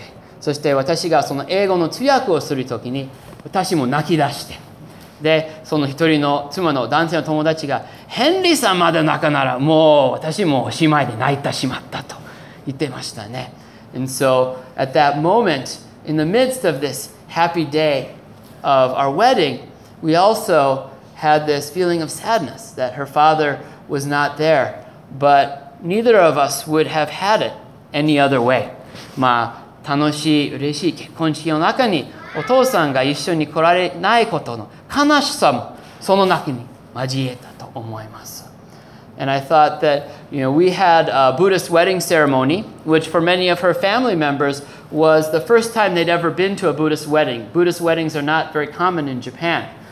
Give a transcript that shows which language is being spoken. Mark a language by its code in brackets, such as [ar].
[ja] で、妻があの、まず泣いて、そして私がその英語の通訳をするときに、私も泣き出して、で、その一人の妻の男性の友達が、ヘンリーさんまで泣かなら、もう私もおしまいで泣いてしまったと言ってましたね。 [en] And so at that moment, in the midst of this happy day of our wedding, we also had this feeling of sadness that her father was not there. But neither of us would have had it any other way. [ja] まあ、楽しい、嬉しい結婚式の中に、 お父さんが一緒に来られないことの悲しさもその中に交えたと思います。 [en] And I thought that, we had a Buddhist wedding ceremony, which for many of her family members was the first time they'd ever been to a Buddhist wedding. Buddhist weddings are not very common in Japan.